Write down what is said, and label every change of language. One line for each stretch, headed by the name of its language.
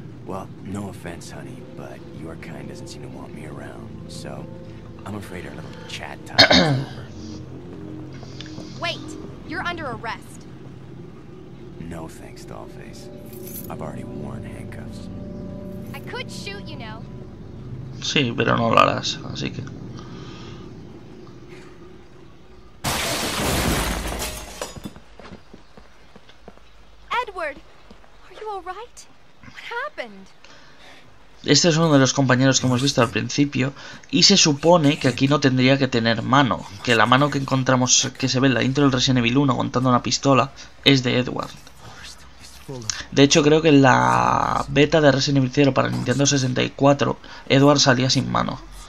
English: Well, no offense, honey, but your kind doesn't seem to want me around. So, I'm afraid our little chat time is over. Wait! You're under arrest. No thanks, Dollface. I've already worn handcuffs. I could shoot, you know.
Spanish: Sí, pero no lo harás, así que.
English: Edward, are you all right? What happened?
Spanish: Este es uno de los compañeros que hemos visto al principio y se supone que aquí no tendría que tener mano, que la mano que encontramos que se ve en la intro del Resident Evil 1 aguantando una pistola es de Edward. De hecho creo que en la beta de Resident Evil 0 para Nintendo 64 Edward salía sin mano.